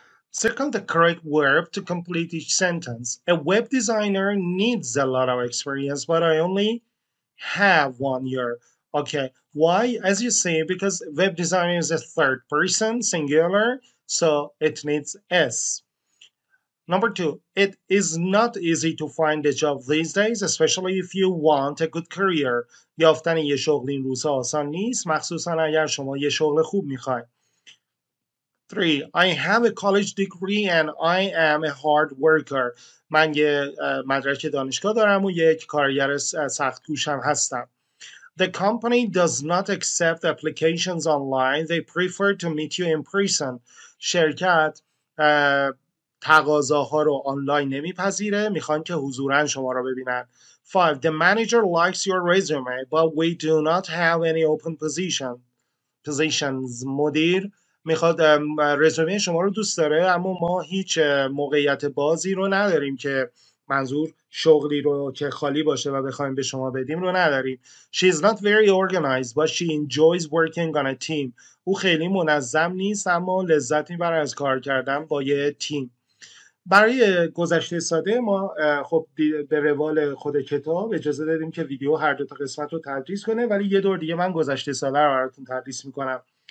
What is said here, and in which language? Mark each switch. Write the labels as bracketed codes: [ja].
[en] Circle the correct verb to complete each sentence. A web designer needs a lot of experience, but I only have 1 year. Okay. Why? As you say, because web designer is a third person, singular, so it needs S. Number two, it is not easy to find a job these days, especially if you want a good career. [fa] یافتن یه شغل این روزها آسان نیست، مخصوصاً اگر شما یه شغل خوب میخواید. [en] Three, I have a college degree and I am a hard worker. [fa] من یه مدرک دانشگاه دارم و یک کارگر سخت کوشم هستم. [en] The company does not accept applications online. They prefer to meet you in person. [fa] شرکت تقاضاها رو آنلاین نمیپذیره، میخوان که حضوراً شما رو ببینن. [en] 5. The manager likes your resume, but we do not have any open positions. [fa] مدیر میخواد رزومه شما رو دوست داره، اما ما هیچ موقعیت بازی رو نداریم، که منظور شغلی رو که خالی باشه و بخوایم به شما بدیم رو نداریم. [en] She is not very organized, but she enjoys working on a team. [fa] او خیلی منظم نیست، اما لذت میبره از کار کردن با یه تیم. برای گذشته ساده ما خب به روال خود کتاب اجازه دادیم که ویدیو هر دو تا قسمت رو تدریس کنه، ولی یه دور دیگه من گذشته ساده رو براتون تدریس میکنم.